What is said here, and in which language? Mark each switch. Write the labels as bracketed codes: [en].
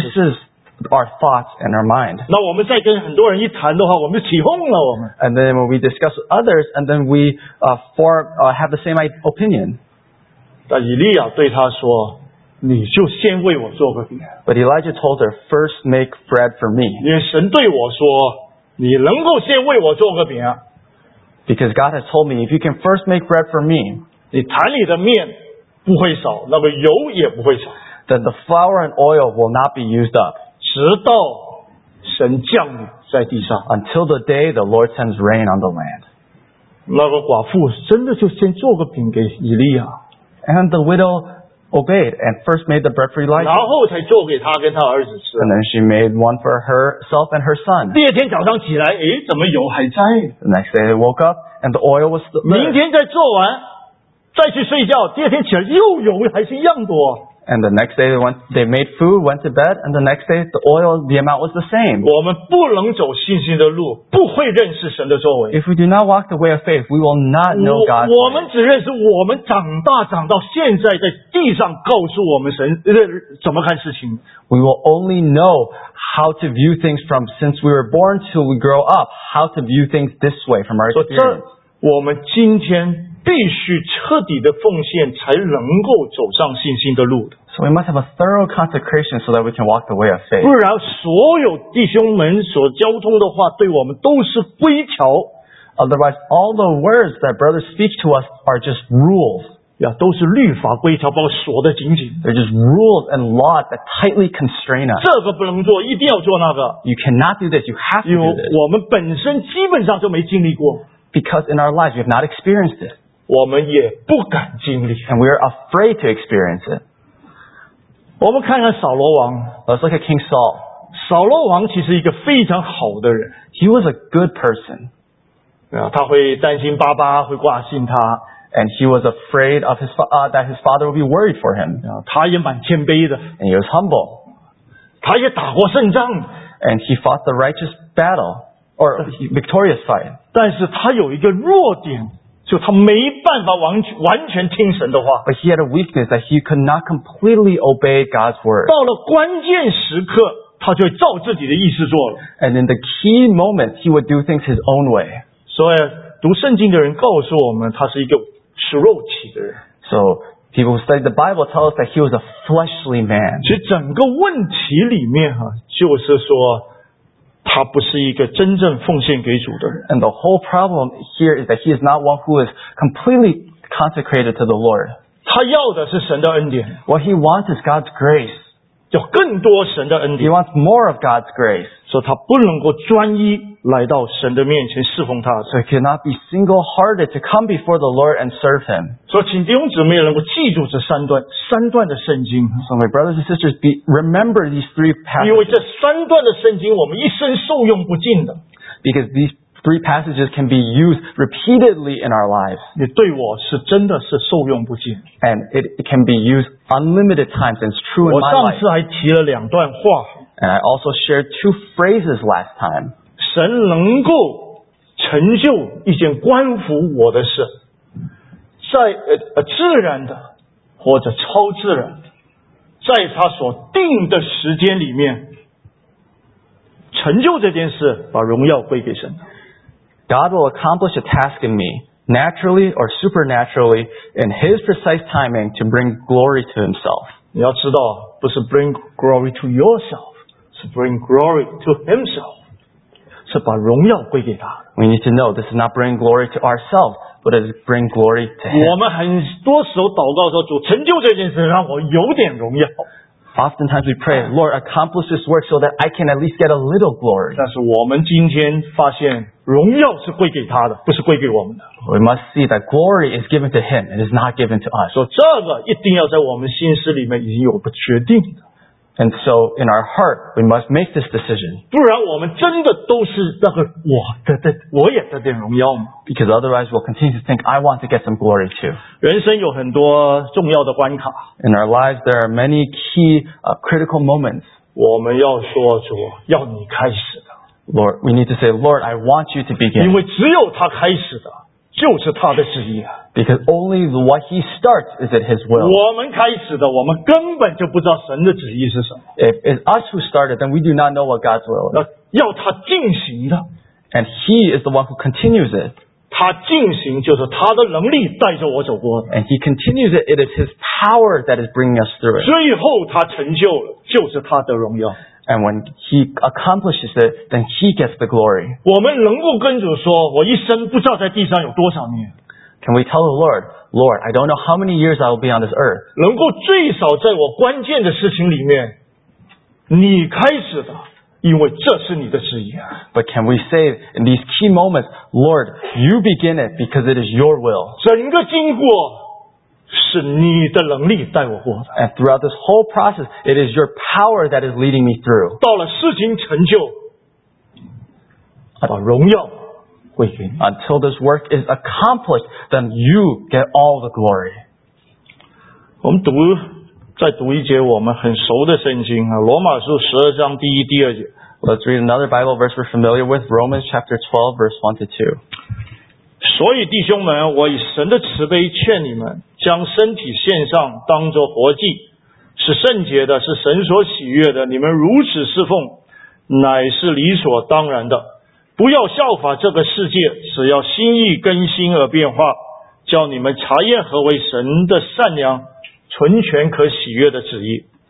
[en] This is our thoughts and our mind. [zh] 那我们再跟很多人一谈的话，我们就起哄了。我们。 [en] And then when we discuss with others, and then we have the same opinion. [zh] 但以利亚对他说。你就先为我做个饼。 [en] But Elijah told her, first make bread for me. [zh] 因为神对我说，你能够先为我做个饼。 [en] Because God has told me, if you can first make bread for me, [zh] 你坛里的面不会少，那个油也不会少。 [en] Then the flour and oil will not be used up. [zh] 直到神降临在地上。 [en] Until the day the Lord sends rain on the land. [zh] 那个寡妇真的就先做个饼给以利亚。 [en] And the widow,obeyed and first made the bread for Elijah. [zh] 然后才做给他跟他儿子吃。 [en] And then she made one for herself and her son. [zh] 第二天早上起来，哎，怎么油还在？ [en] The next day they woke up and the oil was still there. [zh] 明天再做完，再去睡觉。第二天起来又油还是一样多。 [en] And the next day they made food, went to bed, and the next day the oil, the amount was the same. [zh] 我们不能走信心的路，不会认识神的作为。 [en] If we do not walk the way of faith, we will not know God. [zh] 我们只认识我们长大长到现在在地上告诉我们神怎么看事情。 [en] We will only know how to view things from since we were born till we grow up, how to view things this way from our experience. [zh] 我们今天必须彻底的奉献才能够走上信心的路。 [en] So we must have a thorough consecration so that we can walk the way of faith. [zh] 不然所有弟兄们所交通的话对我们都是规条。 [en] Otherwise, all the words that brothers speak to us are just rules. [zh] 都是律法规条把我锁得紧紧。 [en] They're just rules and laws that tightly constrain us. [zh] 这个不能做一定要做那个。 [en] You cannot do this, you have to do this. [zh] 因为我们本身基本上就没经历过。 [en] Because in our lives, we have not experienced it. [zh] 我们也不敢经历。 [en] And we are afraid to experience it. [zh] 我们看看扫罗王。 [en] Let's look at King Saul. [zh] 扫罗王其实一个非常好的人。 [en] He was a good person. [zh] 他会担心爸爸会挂心他。 [en] And he was afraid of that his father would be worried for him. [zh] 他也蛮谦卑的。 [en] And he was humble. [zh] 他也打过胜仗。 [en] And he fought the righteous battle. Or victorious fight. [zh] 但是他有一个弱点，就他没办法完全听神的话。 [en] But he had a weakness that he could not completely obey God's word. [zh] 到了关键时刻，他就照自己的意思做了。 [en] And in the key moment, he would do things his own way. [zh] 所以读圣经的人告诉我们，他是一个属肉体的人。 [en] So people who study the Bible tell us that he was a fleshly man. [zh] 其实整个问题里面就是说。他不是一个真正奉献给主的人。 [en] And the whole problem here is that he is not one who is completely consecrated to the Lord. [zh] 他要的是神的恩典。 [en] What he wants is God's grace. [zh] 就更多神的恩典。 [en] He wants more of God's grace. [zh] 所以他不能够专一来到神的面前侍奉他。 [en] So he cannot be single-hearted to come before the Lord and serve him. [zh] 所以请弟兄姊妹能够记住这三段的圣经。 [en] So my brothers and sisters, remember these three passages. [zh] 因为这三段的圣经我们一生受用不尽的。 [en] Because these three passages can be used repeatedly in our lives. [zh] 你对我是真的是受用不尽。 [en] And it can be used unlimited times and it's true in my life. [zh] 我上次还提了两段话。 [en] And I also shared two phrases last time. [zh] 神能够成就一件关乎我的事，在自然的或者超自然的，在他所定的时间里面成就这件事，把荣耀归给神。 [en] God will accomplish a task in me, naturally or supernaturally, in His precise timing to bring glory to Himself. [zh] 你要知道，不是 [en] bring glory to yourself, [zh] 是 [en] bring glory to Himself. [zh] 是把荣耀归给他。 [en] We need to know this is not bring glory to ourselves, but it is bring glory to Him. [zh] 我们很多时候祷告说，主成就这件事，让我有点荣耀。 [en] Oftentimes we pray, Lord, accomplish this work so that I can at least get a little glory. [zh] 但是我们今天发现，荣耀是归给他的，不是归给我们的。 [en] We must see that glory is given to Him, it is not given to us. [zh] 所以这个一定要在我们心思里面已经有个决定的。 [en] And so, in our heart, we must make this decision. [zh] 不然我们真的都是那个我得得，我也得点荣耀吗？ [en] Because otherwise, we'll continue to think, I want to get some glory too. [zh] 人生有很多重要的关卡。 [en] In our lives, there are many key, critical moments. [zh] 我们要说主，要你开始的。 [en] Lord, we need to say, Lord, I want you to begin. [zh] 因为只有他开始的，就是他的旨意。 [en] Because only what he starts is at his will. [zh] 我们开始的，我们根本就不知道神的旨意是什么。 [en] If it's us who started, then we do not know what God's will is. [zh] 要他进行的。 [en] And he is the one who continues it. [zh] 他进行就是他的能力带着我走过。 [en] And he continues it, it is his power that is bringing us through it. [zh] 最后他成就了，就是他的荣耀。 [en] And when he accomplishes it, then he gets the glory. [zh] 我们能够跟主说，我一生不知道在地上有多少年。 [en] Can we tell the Lord, Lord, I don't know how many years I will be on this earth. [zh] 能够最少在我关键的事情里面，你开始的，因为这是你的旨意。 [en] But can we say in these key moments, Lord, you begin it because it is your will. [zh] 整个经过是你的能力带我过的。 [en] And throughout this whole process, it is your power that is leading me through. [zh] 到了事情成就，把荣耀。 [en] Until this work is accomplished, then you get all the glory. [zh] 我们再读一节我们很熟的圣经啊，罗马书十二章第一、第二节。 [en] Let's read another Bible verse we're familiar with, Romans chapter 12, verse 1-2. [zh] 所以弟兄们，我以神的慈悲劝你们，将身体献上，当作活祭，是圣洁的，是神所喜悦的。你们如此侍奉，乃是理所当然的。不要效法这个世界，只要心意更新而变化，叫你们查验何为神的善良、纯全、可喜悦的旨意。